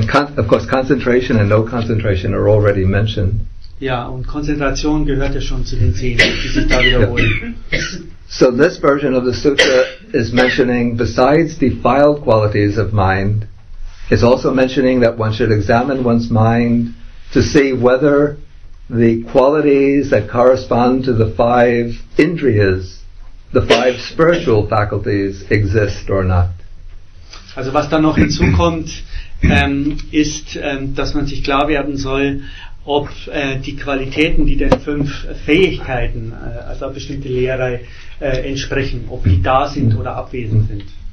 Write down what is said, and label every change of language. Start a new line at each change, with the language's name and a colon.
English: And of course, concentration and no concentration are already mentioned.
German: Ja, und Konzentration gehört ja schon zu den zehn, die sich da wiederholen. Yeah.
English: So this version of the sutra is mentioning, besides defiled qualities of mind, it's also mentioning that one should examine one's mind to see whether the qualities that correspond to the five indriyas, the five spiritual faculties, exist or not.
German: Also was da noch hinzukommt, ist, dass man sich klar werden soll, ob die Qualitäten, die den fünf Fähigkeiten, also bestimmte Lehre, entsprechen, ob die da sind oder abwesend sind.